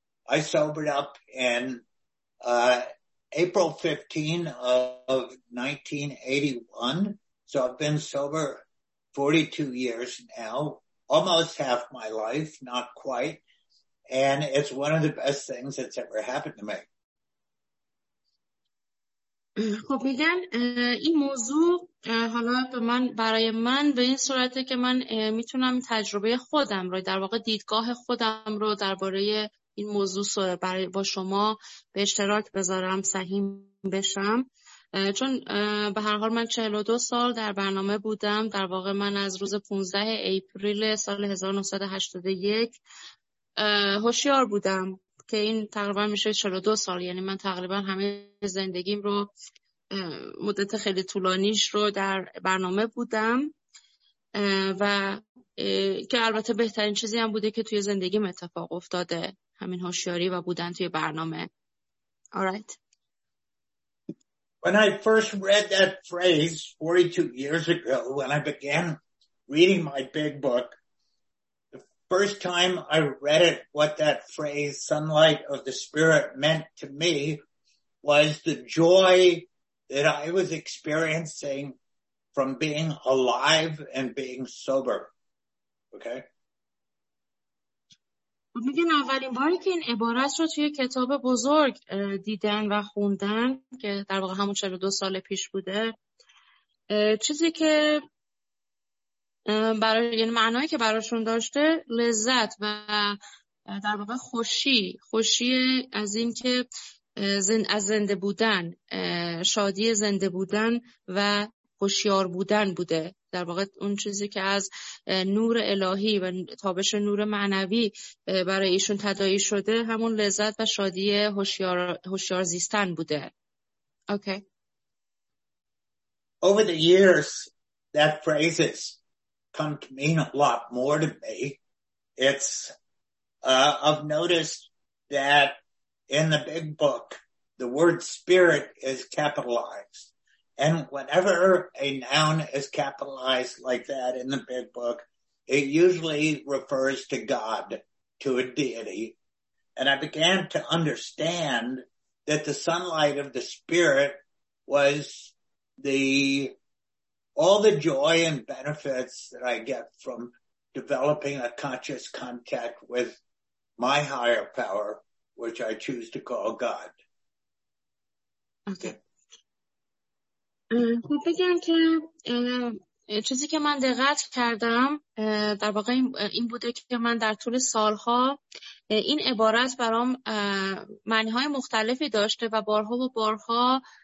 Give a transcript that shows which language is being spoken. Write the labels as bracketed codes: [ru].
[en] I sobered up in April 15 of 1981, So I've been sober 42 years now, almost half my life, not quite. And it's one of the best things that's ever happened to me. [fa] خب میگن این موضوع حالا به من برای من به این صورته که من میتونم تجربه خودم رو در واقع دیدگاه خودم رو درباره این موضوع برای با شما به اشتراک بذارم سهیم بشم چون به هر حال من 42 سال در برنامه بودم در واقع من از روز 15 اپریل سال 1981 هوشیار بودم که این تقریبا میشه 42 سال یعنی من تقریبا همه زندگیم رو مدت خیلی طولانیش رو در برنامه بودم و که البته بهترین چیزی هم بوده که توی زندگیم اتفاق افتاده همین هوشیاری و بودن توی برنامه. [en] Alright. When I first read that phrase 42 years ago when I began reading my big book, first time I read it, what that phrase, sunlight of the spirit, meant to me was the joy that I was experiencing from being alive and being sober. Okay? [fa] میگن اولین باری که این عبارت رو توی کتاب بزرگ دیدن و خوندن که در واقع همون 42 سال پیش بوده چیزی که برای یعنی معنایی که براشون داشته لذت و در واقع خوشی از این که زنده بودن شادی زنده بودن و هوشیار بودن بوده در واقع اون چیزی که از نور الهی و تابش نور معنوی برای ایشون تداعی شده همون لذت و شادی هوشیار زیستن بوده. [en] Okay. Over the years that phrases come to mean a lot more to me. It's I've noticed that in the big book, the word spirit is capitalized. And whenever a noun is capitalized like that in the big book, it usually refers to God, to a deity. And I began to understand that the sunlight of the spirit was the all the joy and benefits that I get from developing a conscious contact with my higher power, which I choose to call God. Okay. [fa] خب بگم که چیزی که من دقت کردم در واقع این بوده که من در طول سالها این عبارت برام معنی های مختلفی داشته و بارها و بارها